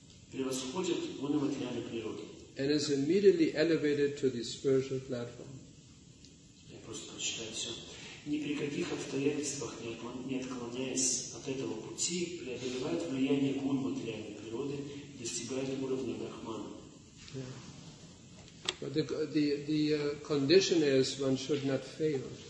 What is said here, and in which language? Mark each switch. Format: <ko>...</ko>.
<ru>Превосходит гуны материальной природы.</ru> <en>And is immediately elevated to the spiritual platform.</en> <ru>Я просто прочитаю все. Ни при каких обстоятельствах, не отклоняясь от этого пути, преодолевает влияние гун материальной природы.</ru> <en>Yeah. But the condition is one should not fail.</en>